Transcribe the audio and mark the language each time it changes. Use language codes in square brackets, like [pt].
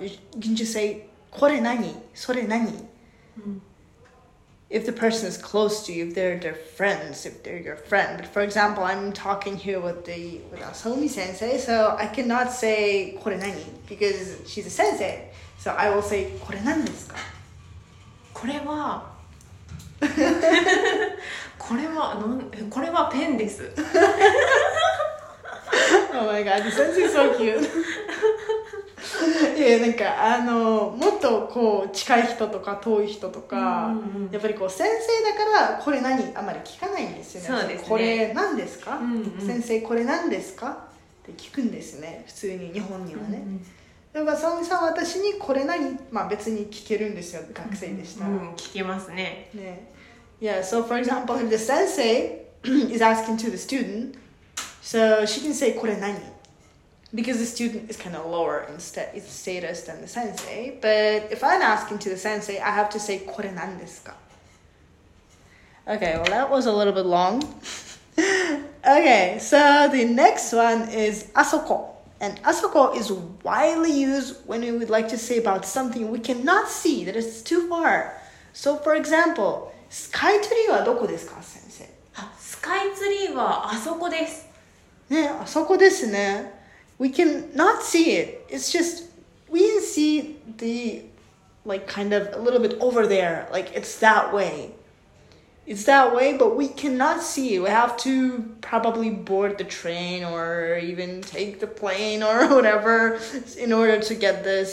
[en] You can just say, [ja] これ何?それ何? [en] Mm. If the person is close to you, if they're their friends, if they're your friend. But for example, I'm talking here with Asahumi sensei, so I cannot say, [ja] これ何? [en] Because she's a sensei. So I will say, [ja] これ何ですか? これはこれはペンです。 [en] Oh my god, this is so cute. [ja] なんかもっとこう近い人とか遠い人とか、うんうん、やっぱりこう先生だからこれ何あまり聞かないんですよね。そうですね。これ何ですか、うんうん、先生これ何ですかって聞くんですね。普通に日本にはね。でもさおみさん私にこれ何まあ別に聞けるんですよ、学生でしたら。うん、聞けますね。ね。 [en] Yeah, so for example, if the sensei is asking to the student, so she can say [ja] これ何? [en] Because the student is kind of lower in status than the sensei. But if I'm asking to the sensei, I have to say [ja] これ何ですか? [en] Okay, well that was a little bit long. Okay, so the next one is あそこ。 And あそこ is widely used when we would like to say about something we cannot see, that is too far. So for example, [ja] スカイツリーはどこですか、先生？あ、スカイツリーはあそこです。ね、あそこですね。 [en] We cannot see it. It's just, we can see the, like, kind of a little bit over there. Like, it's that way. It's that way, but we cannot see it. We have to probably board the train or even take the plane or whatever in order to get this.